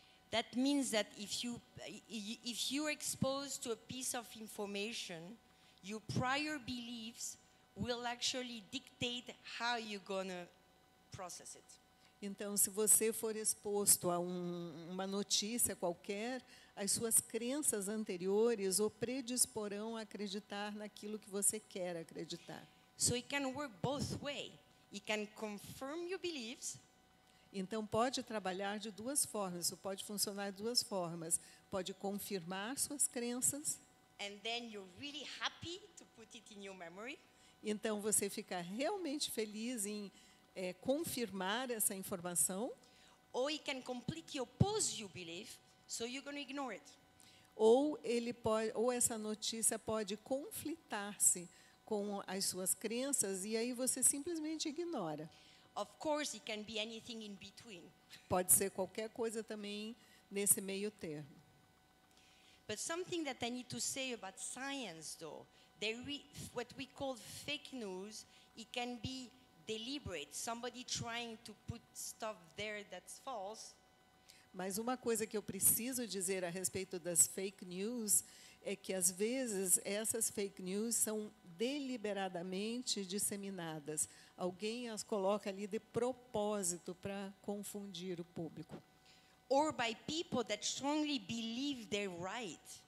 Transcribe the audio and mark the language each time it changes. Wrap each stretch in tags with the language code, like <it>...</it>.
<en>That means that if you are exposed to a piece of information, your prior beliefs will actually dictate how you're gonna process it.</en> <pt>Então, se você for exposto a uma notícia qualquer, as suas crenças anteriores o predisporão a acreditar naquilo que você quer acreditar.</pt> <en>So it can work both ways. It can confirm your beliefs.</en> <pt>Então, pode trabalhar de duas formas. Isso pode funcionar de duas formas. Pode confirmar suas crenças.</pt> <en>And then you're really happy to put it in your memory.</en> <pt>Então, você fica realmente feliz em confirmar essa informação.</pt> <en>Or it can completely oppose your belief. So you're going to ignore it.</en> <pt>Ou essa notícia pode conflitar-se com as suas crenças e aí você simplesmente ignora.</pt> <en>Of course, it can be anything in between.</en> <pt>Pode ser qualquer coisa também nesse meio termo.</pt> <en>But something that I need to say about science, though, what we call fake news, it can be deliberate. Somebody trying to put stuff there that's false.</en> <pt>Mas uma coisa que eu preciso dizer a respeito das fake news é que, às vezes, essas fake news são deliberadamente disseminadas. Alguém as coloca ali de propósito para confundir o público.</pt> <en>Or by people that strongly believe they're right.</en>